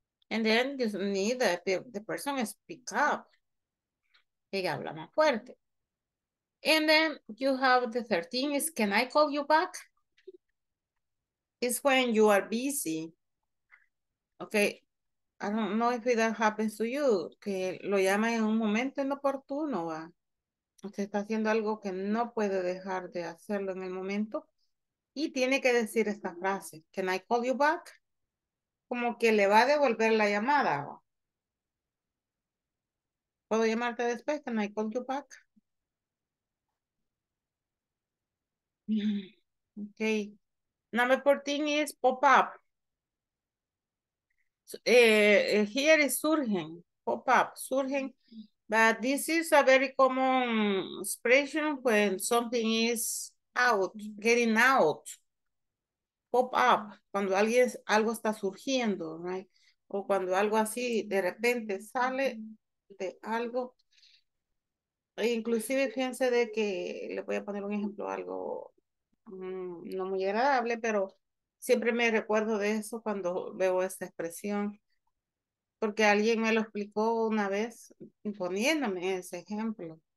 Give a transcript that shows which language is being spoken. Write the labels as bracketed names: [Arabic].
[English] And then you need the person to speak up. [Spanish] Ella habla más fuerte. [English] And then you have the 13 is, can I call you back? It's when you are busy. Okay, I don't know if that happens to you. [Spanish] Que lo llama en un momento inoportuno, ¿va? Usted está haciendo algo que no puede dejar de hacerlo en el momento y tiene que decir esta frase, [English] can I call you back? [Spanish] Como que le va a devolver la llamada. ¿Puedo llamarte después? [English] Can I call you back? Okay. Number 14 is pop up. Here is surgen, pop up, surgen. But this is a very common expression when something is out, getting out. [Spanish] pop up, cuando alguien, algo está surgiendo, right? O cuando algo así de repente sale de algo. E inclusive fíjense de que, le voy a poner un ejemplo, algo no muy agradable, pero siempre me recuerdo de eso cuando veo esta expresión, porque alguien me lo explicó una vez poniéndome ese ejemplo.